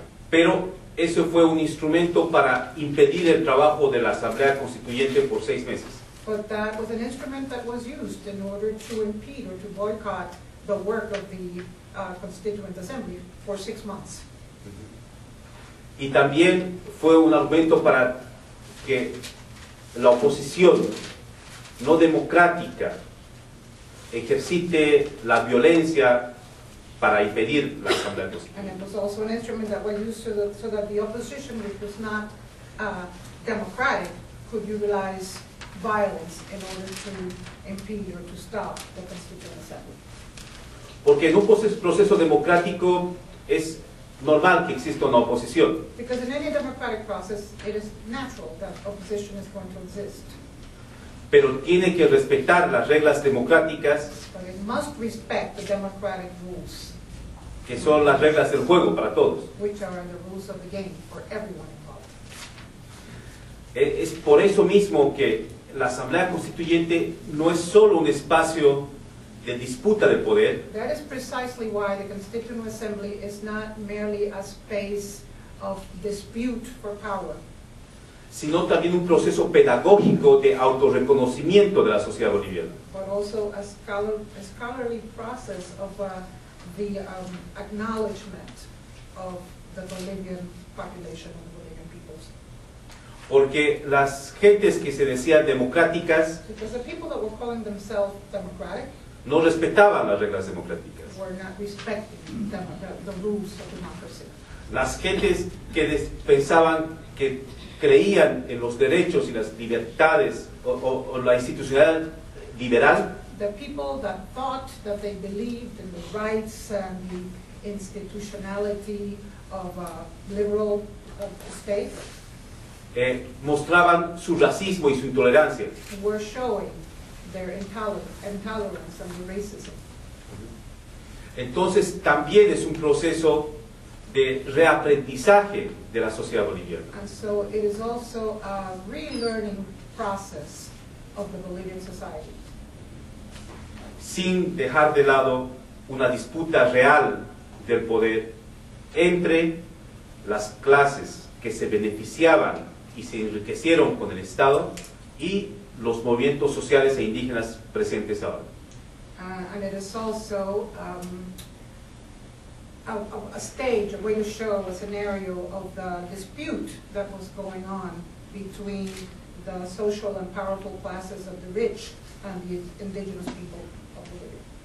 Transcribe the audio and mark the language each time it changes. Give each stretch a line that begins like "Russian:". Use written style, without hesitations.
Spanish: Pero eso fue un instrumento para impedir el trabajo de la Asamblea Constituyente por 6 meses.
English: but that was an instrument that was used in order to impede or to boycott the work of the Constituent Assembly for 6 months.
Spanish: Y también fue un argumento para que la oposición no democrática ejercite la violencia para impedir la Asamblea Constituyente.
English: And it was also an instrument that was used so that the opposition, which was not democratic, could utilize violence in order to impede or to stop the Constituent Assembly.
Spanish: Porque en un proceso democrático es normal que exista una oposición.
English: Because in any democratic process, it is natural that opposition is going to exist.
Spanish: Pero tiene que respetar las reglas democráticas.
English: But it must respect the democratic rules.
Spanish: Que son las reglas del juego para todos.
English: Which are the rules of the game for everyone involved.
Spanish: Es por eso mismo que la Asamblea Constituyente no es solo un espacio de disputa de poder.
English: That is precisely why the Constituent Assembly is not merely a space of dispute for power,
Spanish: sino también un proceso pedagógico de autorreconocimiento de la sociedad boliviana.
English: But also a scholarly process of the acknowledgement of the Bolivian population and the Bolivian peoples.
Spanish: Porque las gentes que se decían democráticas,
English: because the people that were calling themselves democratic,
Spanish: no respetaban las reglas democráticas.
English: Were not respecting the rules of democracy.
Spanish: Las gentes que pensaban, que creían en los derechos y las libertades o la institucionalidad liberal,
English: the people that thought that they believed in the rights and the institutionality of a liberal state,
Spanish: mostraban su racismo y su intolerancia.
English: Were showing their intolerance and their racism.
Spanish: Entonces también es un proceso de reaprendizaje de la sociedad boliviana.
English: And so it is also a relearning process of the Bolivian society.
Spanish: Sin dejar de lado una disputa real del poder entre las clases que se beneficiaban y se enriquecieron con el Estado y los movimientos sociales e indígenas presentes ahora.
English: And it is also a stage, a way to show a scenario of the dispute that was going on between the social and powerful classes of the rich and the indigenous people of Bolivia.